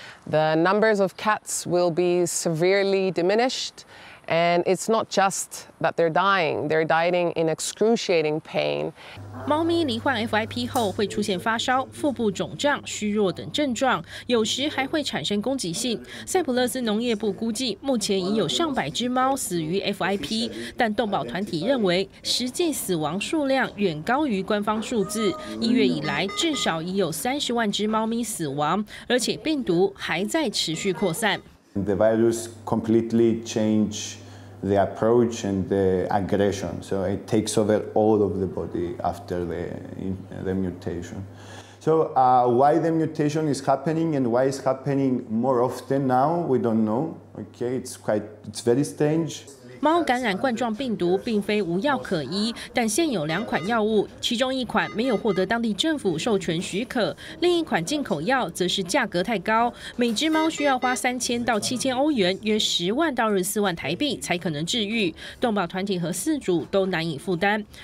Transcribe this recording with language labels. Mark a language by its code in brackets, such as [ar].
[en] The numbers of cats will be severely diminished, and it's not just that they're dying, they're dying in excruciating pain. [zh] 猫咪罹患 FIP 后会出现发烧、腹部肿胀、虚弱等症状，有时还会产生攻击性。塞浦路斯农业部估计，目前已有上百只猫死于 FIP， 但动保团体认为，实际死亡数量远高于官方数字。一月以来，至少已有30万只猫咪死亡，而且病毒还在持续扩散。 [en] The virus completely changed the approach and the aggression, so it takes over all of the body after the mutation. So why the mutation is happening and why it's happening more often now, we don't know. Okay, it's very strange. [zh] 猫感染冠状病毒并非无药可医，但现有两款药物，其中一款没有获得当地政府授权许可，另一款进口药则是价格太高，每只猫需要花3000到7000欧元，约10万到24万台币才可能治愈，动保团体和饲主都难以负担。